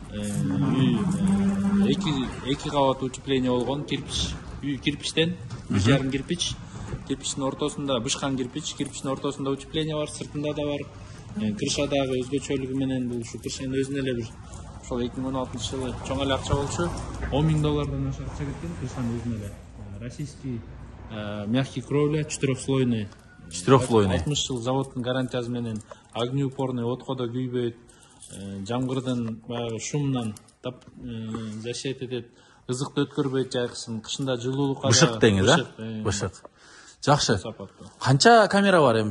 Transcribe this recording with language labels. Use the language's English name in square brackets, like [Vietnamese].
[Kyrgyz] Үй 2 кабат утепление болгон, кирпич. Үй кирпичтен, 1.5 кирпич. Кирпичтин ортосунда бышкан кирпич, кирпичтин ортосунда утепление бар, сыртында да бар. Кыршадагы өзгөчөлүгү менен бул ушул кыршанын өзүнө эле бир ошол 2016 жылы чоң эле акча болчу 10,000 доллардан ашык акча кеткен кыршанын өзүнө эле. [Russian] Российский мягкий кровля, четырехслойный. [Kyrgyz] 60 жыл заводдун гарантиясы менен огнеупорный, отко да күйбөйт, жамгырдын баягы шумунан защита этет, ызыкты өткөрбөйт жайкысын, кышында жылуулукка бышык деңиз, э? Бышык. Жакшы. Канча камера бар эми?